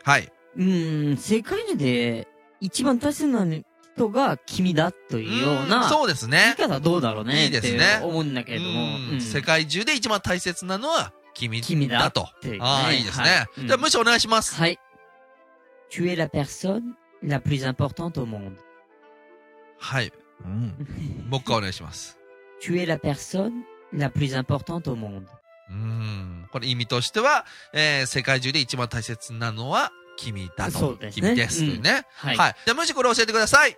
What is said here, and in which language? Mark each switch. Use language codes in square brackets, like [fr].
[ja] はい。世界で一番大切な人が君だというような。そうですね。言い方どうだろうね。いいですね。思うんだけれども、うん。世界中で一番大切なのは君だと。だね、ああ、いいですね。はい、じゃあ、むしお願いします。はい。 [fr] Tu es la personne la plus importante au monde. [ja] はい、もう一回お願いします。 [fr] Tu es la personne la plus importante au monde。 [ja] これ意味としては、世界中で一番大切なのは君だと、ね、君ですというね、うん、はい。はい。じゃあもしこれ教えてください。